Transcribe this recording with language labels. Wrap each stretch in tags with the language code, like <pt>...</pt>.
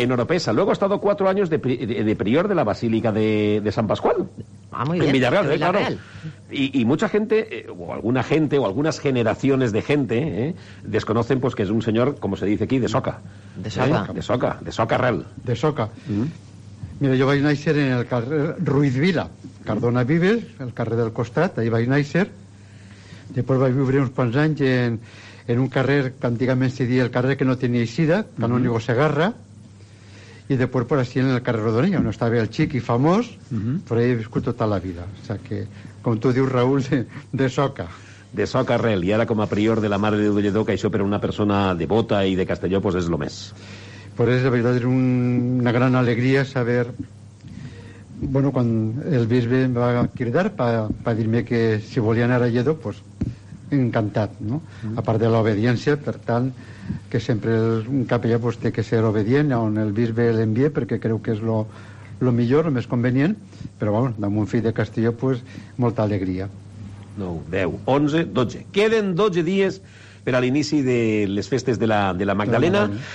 <es>En Oropesa. Luego ha estado 4 años de prior de la Basílica de San Pascual. Ah, muy en bien. En Villarreal, Villarreal. Claro. Y mucha gente, o alguna gente, o algunas generaciones de gente, desconocen pues que es un señor, como se dice aquí, de Soca. De Soca. De Soca. De Soca Real. De Soca.</es> <ca>Mira, jo vaig néixer en el carrer Ruiz Vila, Cardona Vives, el carrer del costat, ahí vaig néixer. Després vaig viure uns quants anys en un carrer que antigament se deia el carrer que no tenia eixida, Canónigo Segarra, i després per així en el carrer Rodonilla, on estava el xic i famós, però ahí he viscut tota la vida.</ca> <es>O sea que,</es> <ca>com tu dius, Raúl, de Soca. De Soca Real, i ara com a prior de la Mare de Déu, que això per una persona devota i de Castelló, pues és lo més.</ca> <es>Por eso, la verdad, es una gran alegría saber... Bueno, cuando el bisbe me va a cridar para decirme que</es> <ca>si volía anar a Lledó,</ca> <es>pues encantat, ¿no?</es> <ca>A part de la obediencia, per tant, que sempre un capellà pues, té que ser obedient on el bisbe l'envié, perquè creu que és lo millor, lo més convenient. Però, bueno, amb un fill de Castelló, pues, molta alegria. 9, 10, 11, 12. Queden 12 dies per a l'inici de les festes de la Magdalena.</ca>